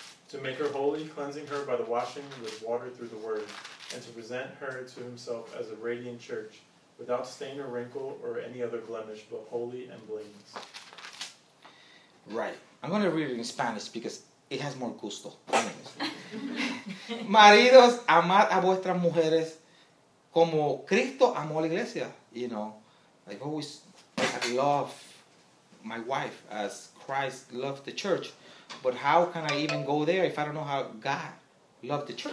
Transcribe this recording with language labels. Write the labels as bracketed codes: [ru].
[en] To make her holy, cleansing her by the washing with water through the word, and to present her to Himself as a radiant church, without stain or wrinkle or any other blemish, but holy and blameless. Right. I'm going to read it in Spanish because it has more gusto. [es] Maridos, amad a vuestras mujeres como Cristo amó a la iglesia. [en] You know, I've always loved my wife as Christ loved the church. But how can I even go there if I don't know how God loved the church?